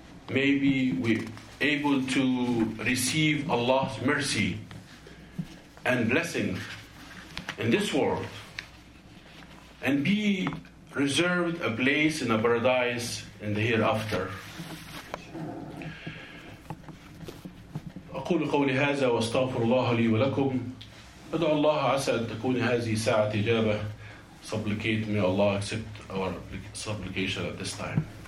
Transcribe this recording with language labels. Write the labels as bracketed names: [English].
[English] Maybe we're able to receive Allah's mercy and blessings in this world and be reserved a place in a paradise in the hereafter. [Arabic] أقول قولي هذا واستغفر الله لي ولكم أدعو الله عسى أن تكون هذه ساعة إجابة. [English] Supplicate, may Allah accept our supplication at this time.